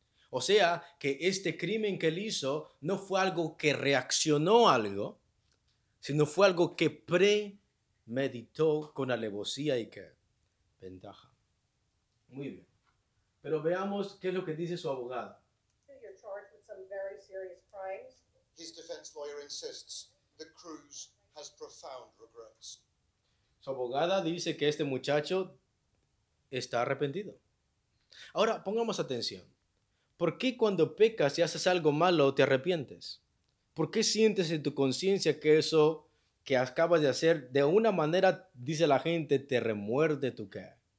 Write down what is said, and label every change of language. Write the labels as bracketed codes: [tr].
[es] O sea, que este crimen que él hizo no fue algo que reaccionó a algo, sino fue algo que premeditó con alevosía y qué ventaja. Muy bien. Pero veamos qué es lo que dice su abogada. [en] You're charged with some very serious crimes. His defense lawyer insists that Cruz has profound regrets. [es] Su abogada dice que este muchacho está arrepentido. Ahora, pongamos atención. ¿Por qué cuando pecas y haces algo malo te arrepientes? ¿Por qué sientes en tu conciencia que eso que acabas de hacer, de una manera, dice la gente, te remuerde tu qué?